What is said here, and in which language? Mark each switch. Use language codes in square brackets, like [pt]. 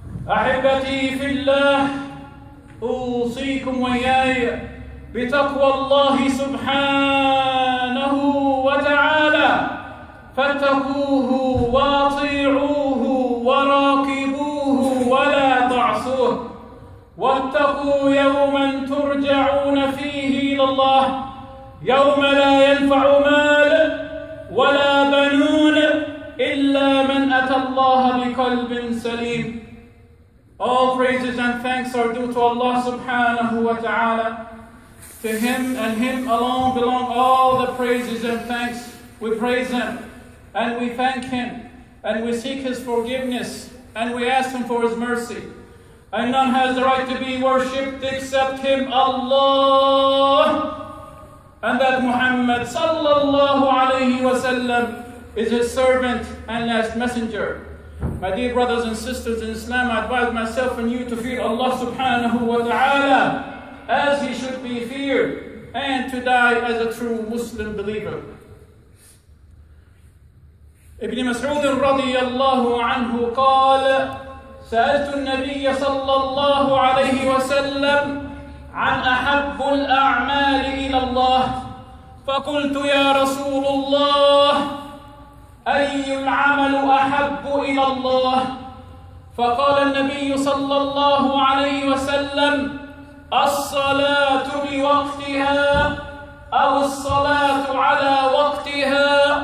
[ar] أحبتي في الله، أوصيكم وإياي بتقوى الله سبحانه وتعالى، فاتقوه واطيعوه وراقبوه ولا تعصوه، واتقوا يوما ترجعون فيه إلى الله، يوم لا ينفع مال ولا بنون إلا من أتى الله بقلب سليم. [en] All praises and thanks are due to Allah subhanahu wa ta'ala. To Him and Him alone belong all the praises and thanks. We praise Him and we thank him, and we seek his forgiveness, and we ask him for his mercy. And none has the right to be worshipped except him, Allah. And that Muhammad sallallahu alayhi wa sallam is his servant and last messenger. My dear brothers and sisters in Islam, I advise myself and you to fear Allah subhanahu wa ta'ala as he should be feared, and to die as a true Muslim believer. [ar] Ibn Mas'ud radiyallahu anhu قال سألت النبي صلى الله عليه وسلم عن أحب الأعمال إلى الله فقلت يا رسول الله أي العمل أحب إلى الله؟ فقال النبي صلى الله عليه وسلم الصلاة بوقتها أو الصلاة على وقتها.